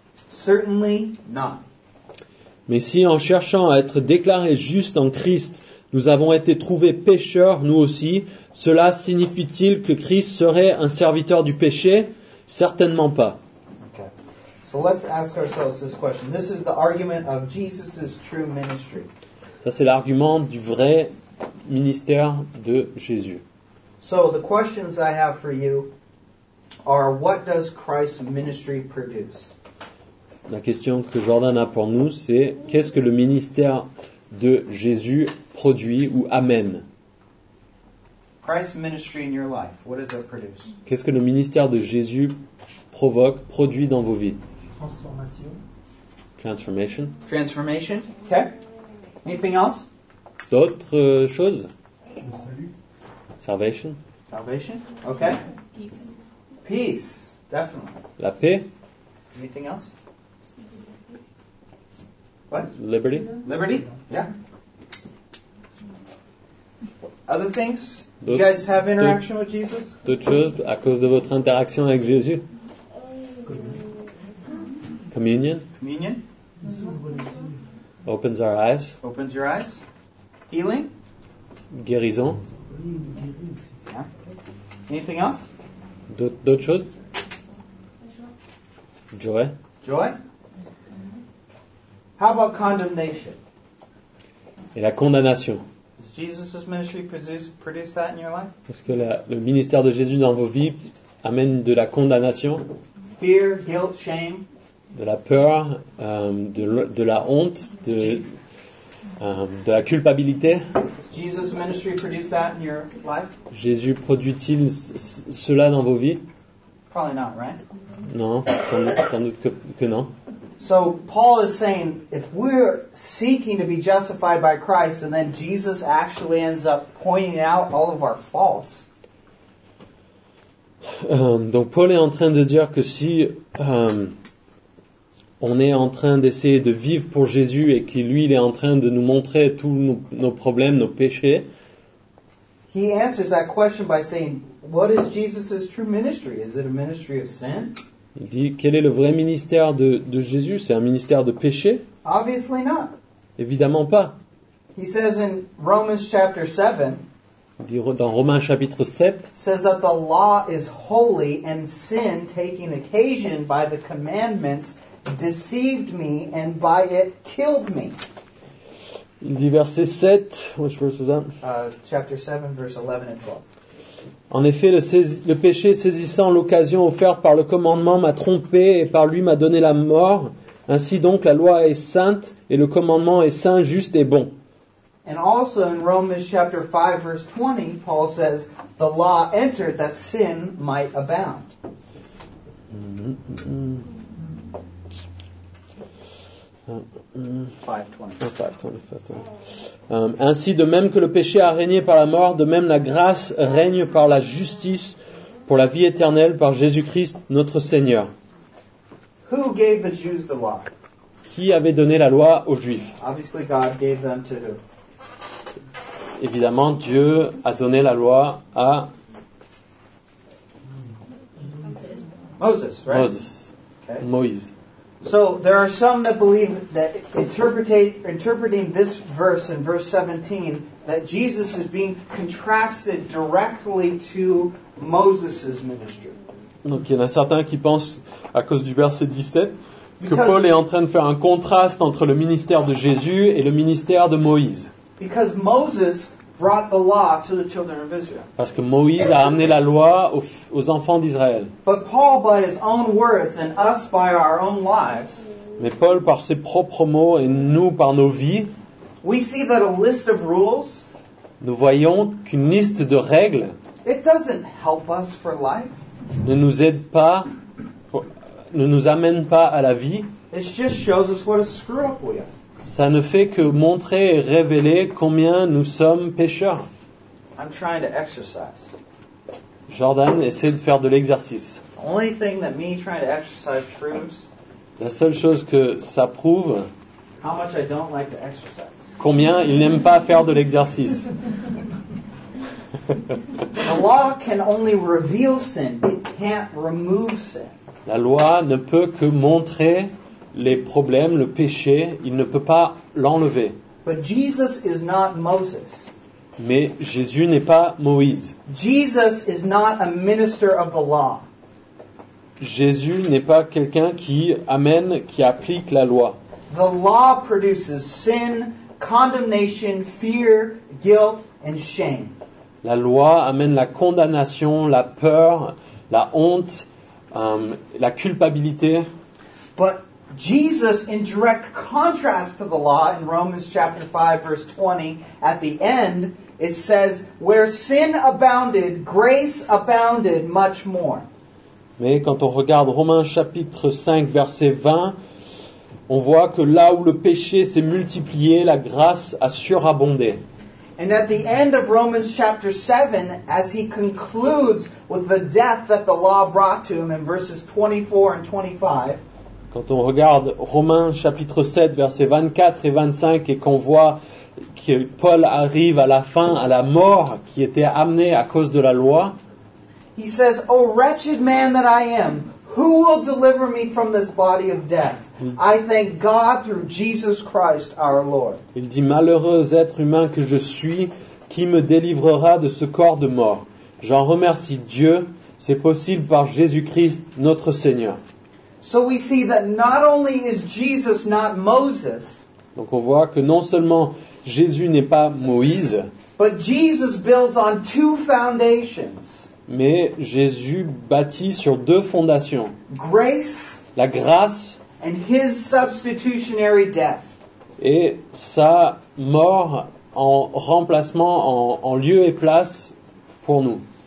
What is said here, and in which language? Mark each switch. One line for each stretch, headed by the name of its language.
English: Certainly not.
French: Mais si en cherchant à être déclarés justes en Christ, nous avons été trouvés pécheurs, nous aussi, cela signifie-t-il que Christ serait un serviteur du péché? Certainement pas.
English: So let's ask ourselves this question. This is the argument of Jesus' true ministry.
French: Ça, c'est l'argument du vrai ministère de Jésus.
English: So the questions I have for you are, what does Christ's ministry produce?
French: La question que Jordan a pour nous, c'est qu'est-ce que le ministère de Jésus produit ou amène?
English: Christ's ministry in your life, what does it produce?
French: Qu'est-ce que le ministère de Jésus provoque, produit dans vos vies?
English: Transformation. Transformation. Transformation. Okay. Anything else?
French: D'autres choses? Le salut.
English: Salvation. Salvation. Okay. Peace. Peace. Definitely.
French: La paix.
English: Anything else? What? Liberty. Liberty? Yeah. Other things? You guys have interaction with Jesus?
French: D'autres choses à cause de votre interaction avec Jésus?
English: Communion? Communion? Opens our eyes. Opens your eyes. Healing?
French: Guérison.
English: Yeah. Anything else?
French: D'autres choses?
English: Joy. Joy? How about condemnation?
French: Et la condamnation.
English: Does Jesus' ministry produce that in your life?
French: Est-ce que le ministère de Jésus dans vos vies amène de la condamnation?
English: Fear, guilt, shame.
French: De la peur, de la honte, de la culpabilité.
English: Jesus ministry produce that in your life?
French: Jésus produit-il cela dans vos vies?
English: Probably not, right?
French: Non, sans doute que non.
English: So Paul is saying, if we're seeking to be justified by Christ, and then Jesus actually ends up pointing out all of our faults.
French: Donc Paul est en train de dire que si on est en train d'essayer de vivre pour Jésus et que lui, il est en train de nous montrer tous nos problèmes, nos péchés.
English: He answers that question by saying, what is Jesus's true ministry? Is it a ministry of sin?
French: Il dit, quel est le vrai ministère de Jésus? C'est un ministère de péché?
English: Obviously not.
French: Évidemment pas.
English: He says in Romans chapter 7,
French: il dit dans Romains chapitre 7,
English: says that the law is holy and sin taking occasion by the commandments deceived me and by it killed me.
French: Il dit verset 7,
English: which verse was that? Chapter 7, verse 11 and 12.
French: En effet, le péché saisissant l'occasion offerte par le commandement m'a trompé et par lui m'a donné la mort. Ainsi donc, la loi est sainte et le commandement est saint, juste et bon.
English: And also in Romans chapter 5, verse 20, Paul says, the law entered that sin might abound. Mm-hmm. 5:20.
French: Ainsi, de même que le péché a régné par la mort, de même la grâce règne par la justice pour la vie éternelle par Jésus-Christ notre Seigneur.
English: Who gave the Jews the law?
French: Qui avait donné la loi aux Juifs?
English: Obviously God gave them to who?
French: Évidemment, Dieu a donné la loi à
English: Moses, right? Moses. Okay.
French: Moïse.
English: So there are some that believe that interpreting this verse in verse 17 that Jesus is being contrasted directly to Moses' ministry.
French: Donc il y en a certains qui pensent à cause du verset 17 que Paul est en train de faire un contraste entre le ministère de Jésus et le ministère de Moïse.
English: Because Moses brought the law to the children of Israel.
French: Parce que Moïse a amené la loi aux enfants d'Israël.
English: But Paul, by his own words and us by our own lives,
French: mais Paul, par ses propres mots et nous, par nos vies,
English: we see that a list of rules,
French: nous voyons qu'une liste de règles,
English: it doesn't help us for life,
French: ne nous aide pas, ne nous amène pas à la vie.
English: It just shows us what a screw up we are.
French: Ça ne fait que montrer et révéler combien nous sommes pécheurs.
English: I'm trying to exercise.
French: Jordan essaie de faire de l'exercice.
English: The only thing that me trying to exercise proves,
French: la seule chose que ça prouve,
English: how much I don't like to exercise.
French: Combien il n'aime pas faire de l'exercice.
English: The law can only reveal sin. It can't remove sin.
French: La loi ne peut que montrer les problèmes, le péché, il ne peut pas l'enlever.
English: But Jesus is not Moses.
French: Mais Jésus n'est pas Moïse.
English: Jesus is not a minister of the law.
French: Jésus n'est pas quelqu'un qui amène, qui applique la loi.
English: The law produces sin, condemnation, fear, guilt, and shame.
French: La loi amène la condamnation, la peur, la honte, la culpabilité.
English: But Jesus, in direct contrast to the law, in Romans chapter 5, verse 20, at the end, it says, where sin abounded, grace abounded much more.
French: Mais quand on regarde Romains chapitre 5, verset 20, on voit que là où le péché s'est multiplié, la grâce a surabondé.
English: And at the end of Romans chapter 7, as he concludes with the death that the law brought to him in verses 24 and 25,
French: Quand on regarde Romains chapitre 7 versets 24 et 25 et qu'on voit que Paul arrive à la fin, à la mort qui était amenée à cause de la loi.
English: He says, "O wretched man that I am, who will deliver me from this body of death? I thank God through Jesus Christ our Lord."
French: Il dit, malheureux être humain que je suis, qui me délivrera de ce corps de mort? J'en remercie Dieu, c'est possible par Jésus-Christ notre Seigneur.
English: So we see that not only is Jesus not Moses.
French: Donc on voit que non seulement Jésus n'est pas Moïse,
English: but Jesus builds on two foundations.
French: Mais Jésus bâtit sur deux fondations.
English: Grace,
French: la grâce,
English: and his substitutionary death.
French: Et sa mort en remplacement, en lieu et place pour nous.